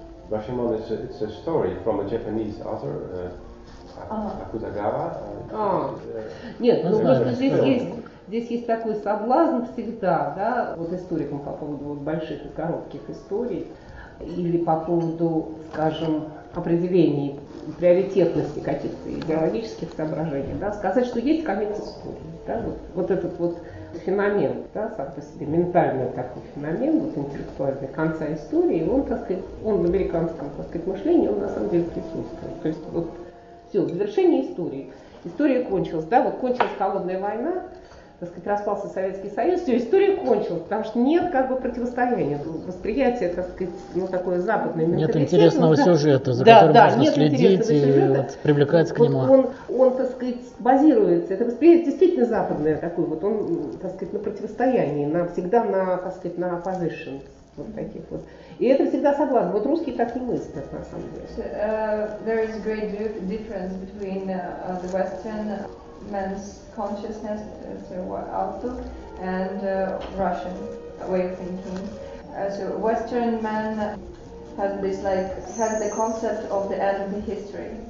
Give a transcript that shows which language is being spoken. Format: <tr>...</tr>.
<en>Rashomon is it's a story from a Japanese author, Akutagawa.</en> <ru>Нет, ну просто здесь есть такой соблазн всегда, да, вот историкам по поводу вот больших и коротких историй или по поводу, скажем, определений приоритетности каких-то идеологических соображений, да, сказать, что есть конец истории, да, вот этот вот феномен, да, сам по себе, ментальный такой феномен, вот интеллектуальный конца истории, он, так сказать, он в американском, так сказать, мышлении, он на самом деле присутствует. То есть вот все, завершение истории. История кончилась, да, вот кончилась холодная война, так сказать, распался Советский Союз, все, история кончилась, потому что нет как бы противостояния, восприятие, так сказать, ну, такое западное менталитет. Нет интересного сюжета, за которым можно следить и вот, привлекать к нему. Он, так сказать, базируется, это восприятие действительно западное такое, вот он, так сказать, на противостоянии, всегда на, так сказать, на opposition, вот таких вот. И это всегда соблазн. Вот русские так не мыслят, на самом деле.</ru> <en>There is a great difference between the Western man's consciousness, so what outlook, and Russian way of thinking. So Western man has the concept of the end of the history.</en>